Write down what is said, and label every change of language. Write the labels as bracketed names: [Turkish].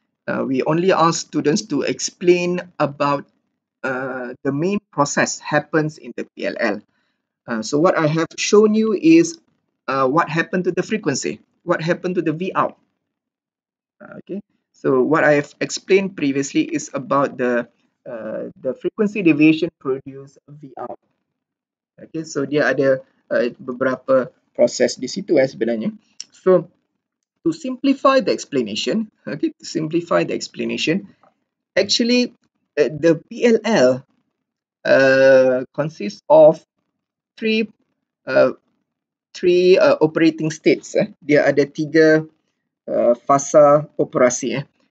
[English] We only asked students to explain about the main process happens in the PLL. So what I have shown you is what happened to the frequency, what happened to the V out. Okay. So what I have explained previously is about the frequency deviation produce V out. Okay. [Malay] So dia ada beberapa proses di situ sebenarnya. [English] So to simplify the explanation, okay, to simplify the explanation, actually the PLL consists of three operating states. [Malay] Dia ada tiga fasa operasi.